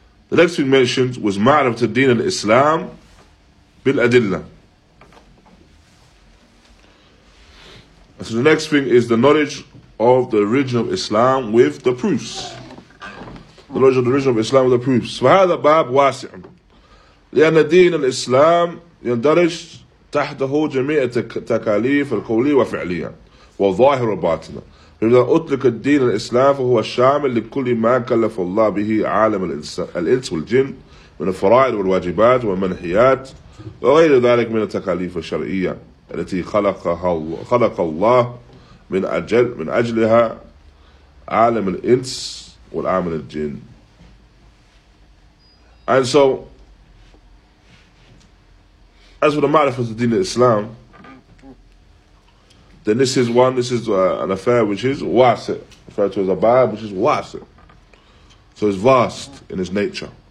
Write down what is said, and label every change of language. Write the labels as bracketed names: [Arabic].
[English] The next thing mentioned was [Arabic] ma'rifatu din al-Islam bil adilla. [English] So the next thing is the knowledge of the origin of Islam with the proofs. The knowledge of the origin of Islam with the proofs. [Arabic] فَهَذَا بَابْ وَاسِعٌ لأن دين الإسلام يندرج تحته جميع التكاليف القولية وفعلية والظاهر والباطنة. فإذا أطلق الدين الإسلام فهو الشامل لكل ما كلف الله به عالم الإنس والجن من الفرائض والواجبات والمنهيات وغير ذلك من التكاليف الشرعية التي خلق الله من أجلها عالم الإنس والعالم الجن. [English] And so, as for the ma'rifah of the deen of Islam, then this is an affair which is wasi', referred to as a bab, which is wasi'. So it's vast in its nature.